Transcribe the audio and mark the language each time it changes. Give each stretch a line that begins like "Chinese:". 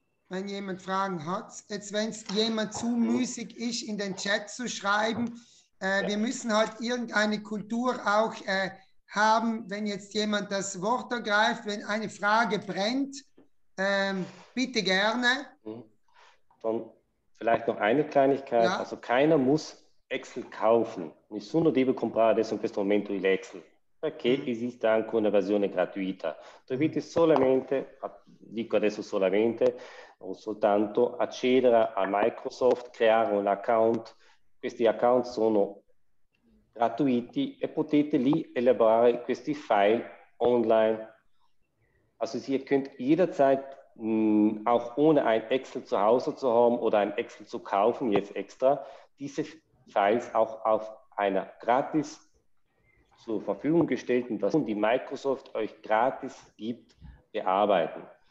German: Wenn jemand Fragen hat, jetzt wenn es jemand zu müßig ist, in den Chat zu schreiben, wir müssen halt irgendeine Kultur auch haben, wenn jetzt jemand das Wort ergreift, wenn eine Frage brennt, bitte gerne. Dann vielleicht noch eine Kleinigkeit, ja. Also keiner muss Excel kaufen.
Italian: Nessuno deve comprare adesso in questo momento il Excel. Perché esiste anche una versione gratuita. Dovete solamente, dico adesso solamente, o soltanto accedere a Microsoft, creare un account. Questi account sono gratuiti e potete lì elaborare questi file online.
German: Also ihr könnt jederzeit, auch ohne ein Excel zu Hause zu haben oder ein Excel zu kaufen, jetzt extra, diese Files auch auf einer gratis zur Verfügung gestellten Version, die Microsoft euch gratis gibt, bearbeiten.